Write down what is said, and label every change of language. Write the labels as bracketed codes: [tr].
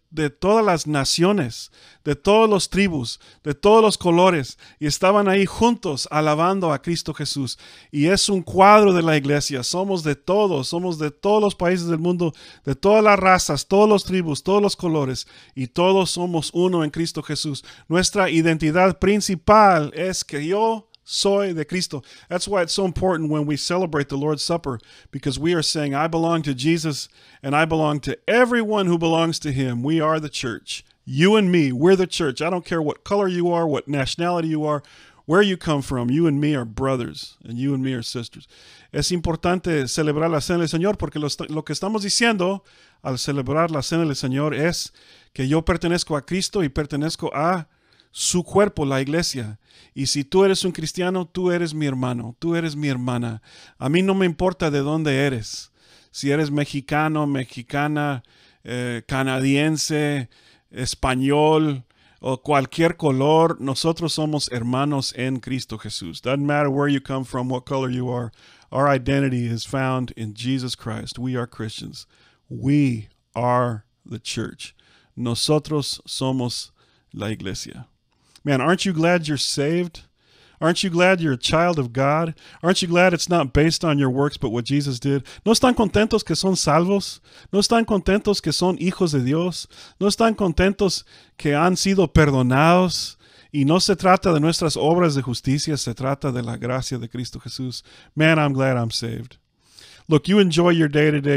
[es] de todas las naciones, de todos los tribus, de todos los colores, y estaban ahí juntos alabando a Cristo Jesús. Y es un cuadro de la iglesia. Somos de todos los países del mundo, de todas las razas, todos los tribus, todos los colores, y todos somos uno en Cristo Jesús. Nuestra identidad principal es que yo soy de Cristo. [en] That's why it's so important when we celebrate the Lord's Supper, because we are saying, I belong to Jesus and I belong to everyone who belongs to him. We are the church. You and me, we're the church. I don't care what color you are, what nationality you are, where you come from. You and me are brothers and you and me are sisters. [es] Es importante celebrar la cena del Señor porque lo que estamos diciendo al celebrar la cena del Señor es que yo pertenezco a Cristo y pertenezco a su cuerpo, la iglesia. Y si tú eres un cristiano, tú eres mi hermano, tú eres mi hermana. A mí no me importa de dónde eres. Si eres mexicano, mexicana, canadiense, español, o cualquier color, nosotros somos hermanos en Cristo Jesús. [en] Doesn't matter where you come from, what color you are. Our identity is found in Jesus Christ. We are Christians. We are the church. [es] Nosotros somos la iglesia. [en] Man, aren't you glad you're saved? Aren't you glad you're a child of God? Aren't you glad it's not based on your works, but what Jesus did? [es] ¿No están contentos que son salvos? ¿No están contentos que son hijos de Dios? ¿No están contentos que han sido perdonados? Y no se trata de nuestras obras de justicia, se trata de la gracia de Cristo Jesús. [en] Man, I'm glad I'm saved. Look, you enjoy your day today.